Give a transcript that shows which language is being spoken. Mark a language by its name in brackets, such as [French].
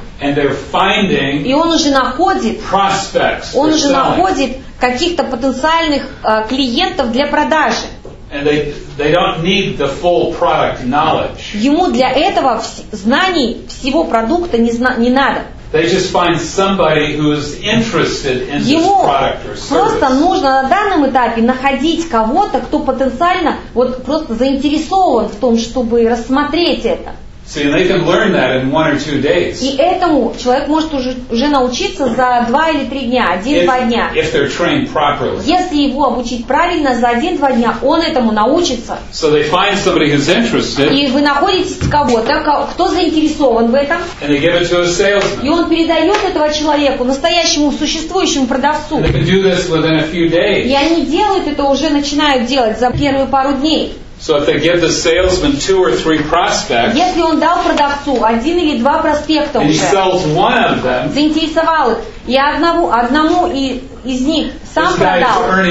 [English] And they're finding prospects. [Russian] Он уже находит каких-то потенциальных клиентов для продажи. [English] And they don't need the full product knowledge. [Russian] Ему для этого знаний всего продукта не надо. [English] They just find somebody who is interested in this product or service. [Russian] Просто нужно на данном этапе находить кого-то, кто потенциально вот просто заинтересован в том, чтобы рассмотреть это. [English] See, they can learn that in one or two days. [Russian] И этому человек может уже научиться за два или три дня, один-два дня. [English] If they're trained properly. [Russian] Если его обучить правильно, за один-два дня он этому научится. [English] So they find somebody who's interested. [Russian] И вы находите кого-то, кто заинтересован в этом. [English] And they give it to a salesman. [Russian] И он передает этого человеку, настоящему существующему продавцу. [English] And they can do this within a few days. [Russian] И они делают это, уже начинают делать за первые пару дней. [English] So if they give the salesman two or three prospects, [Russian] если он дал продавцу один или два проспекта, [English] and he sells one of them, [Russian] заинтересовал их, и одному из них сам продал,